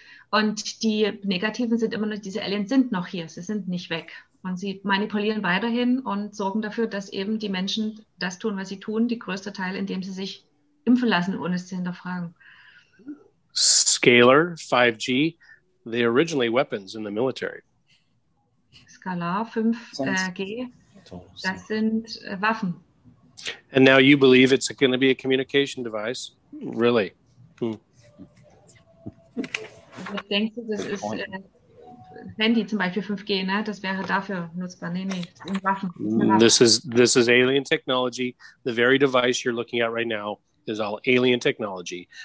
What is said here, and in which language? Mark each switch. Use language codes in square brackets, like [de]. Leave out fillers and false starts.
[de] Und die Negativen sind immer noch, diese Aliens sind noch hier, sie sind nicht weg. Und sie manipulieren weiterhin und sorgen dafür, dass eben die Menschen das tun, was sie tun, die größte Teil, indem sie sich impfen lassen, ohne es zu hinterfragen. [en] Scalar, 5G, the originally weapons in the military. [de] Scalar, 5G, das sind Waffen. [en] And now you believe it's going to be a communication device? Really? [de] Ich denke, das ist Handy zum Beispiel 5G, ne? Das wäre dafür nutzbar. Nee, in Waffen. [en] This is alien technology. The very device you're looking at right now is all alien technology.